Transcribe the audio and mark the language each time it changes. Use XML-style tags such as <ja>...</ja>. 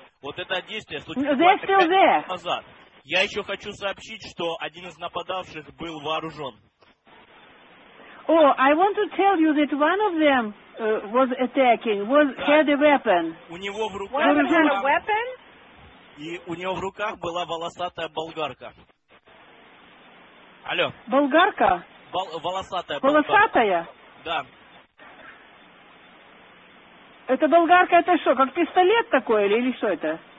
<ru>Вот это действие случилось минут назад. Я еще хочу сообщить, что один из нападавших был вооружен.</ru> <en>Oh, I want to tell you that one of them was attacking, had a weapon.</en> <ru>У него в руках...</ru> <en>One of them had a weapon?</en> <ru>И у него в руках была волосатая болгарка. Алло. Болгарка? Волосатая. Волосатая? Да. Это болгарка, это что, как пистолет такой или что это?</ru>